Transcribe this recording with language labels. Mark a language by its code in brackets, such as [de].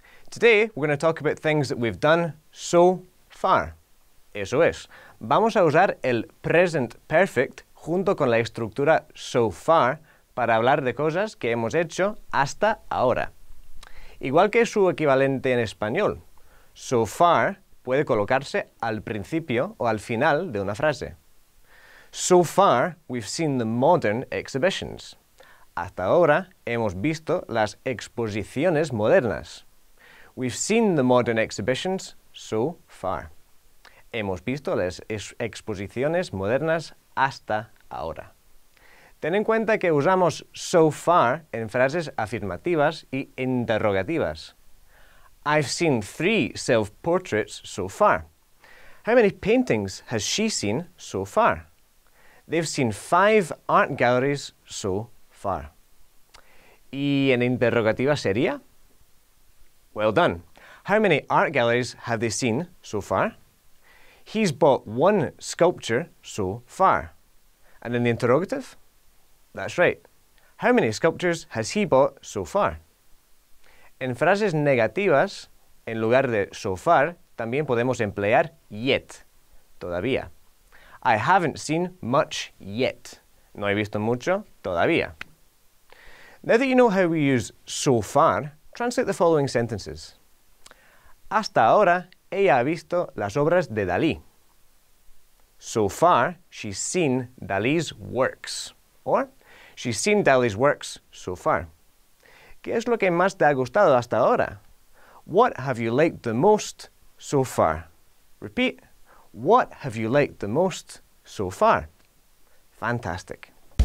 [en] Today we're going to talk about things that we've done so far. [es] Eso es. Vamos a usar el present perfect junto con la estructura so far para hablar de cosas que hemos hecho hasta ahora. Igual que su equivalente en español, so far puede colocarse al principio o al final de una frase. [en] So far, we've seen the modern exhibitions. [es] Hasta ahora, hemos visto las exposiciones modernas. [en] We've seen the modern exhibitions so far. [es] Hemos visto las exposiciones modernas hasta ahora. Ten en cuenta que usamos so far en frases afirmativas y interrogativas. [en] I've seen 3 self-portraits so far. How many paintings has she seen so far? They've seen 5 art galleries so far. [es] ¿Y en interrogativa sería? [en] Well done. How many art galleries have they seen so far? He's bought 1 sculpture so far. And in the interrogative? That's right. How many sculptures has he bought so far? [es] En frases negativas, en lugar de so far, también podemos emplear yet, todavía. [en] I haven't seen much yet. [es] No he visto mucho todavía. [en] Now that you know how we use so far, translate the following sentences. [es] Hasta ahora, ella ha visto las obras de Dalí. [en] So far, she's seen Dalí's works. Or, she's seen Dalí's works so far. [es] ¿Qué es lo que más te ha gustado hasta ahora? [en] What have you liked the most so far? Repeat. What have you liked the most so far? Fantastic.